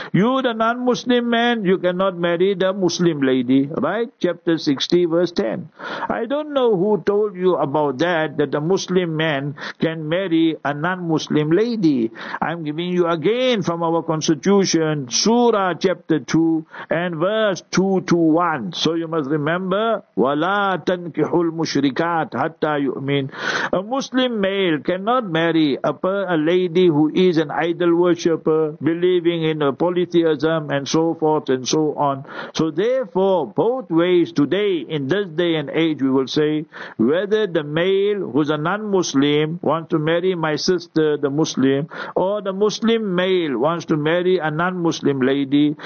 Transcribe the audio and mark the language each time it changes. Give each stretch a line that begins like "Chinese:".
English: You the non-Muslim man, you cannot marry the Muslim lady. Right? Chapter 60, verse 10. I don't know who told you about that, that the Muslim man can marry a non-Muslim lady. I'm giving you again from our constitution, Surah chapter 2 and verse 221. So you must remember,
Arabic: وَلَا تَنْكِحُ الْمُشْرِكَاتِ حَتَّى يُؤْمِنِ.
English: A Muslim male cannot marry a lady who is an idol worshipper, believing in a polytheism and so forth and so on. So therefore, both ways today, in this day and age, we will say, whether the male who's a non-Muslim wants to marry my sister, the Muslim, or the Muslim male wants to marry a non-Muslim lady.